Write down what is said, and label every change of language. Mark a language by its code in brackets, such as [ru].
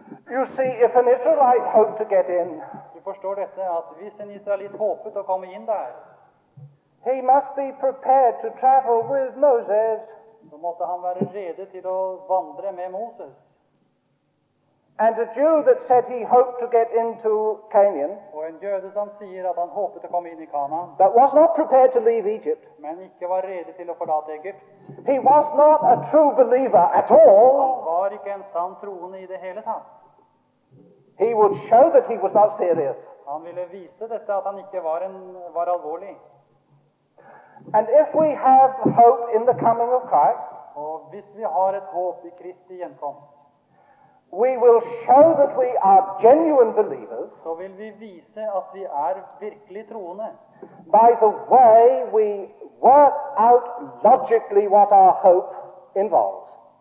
[en] You see, if an Israelite hoped to get in, [no] du forstår dette, at hvis en israelit håpet å komme inn der, [en] he must be prepared to travel with Moses. [no] Så måtte han være rede til å vandre med Moses. [en] And a Jew that said he hoped to get into Canaan. [no] Og en jøde som sier at han håpet å komme inn i Kanaan. [en] That was not prepared to leave Egypt. [no] Men ikke var rede til å forlate Egypt. [en] He was not a true believer at all. [no] Han var ikke en sann troende i det hele tatt. [en] He would show that he was not serious. [no] Han ville vise dette at han ikke var var alvorlig. [en] And if we have hope in the coming of Christ. [no] Og hvis vi har et håp i Kristi gjenkomst. [en] We will show that we are genuine believers. [no] Så vil vi vise at vi virkelig troende. [en] By the way we work out logically what our hope involves.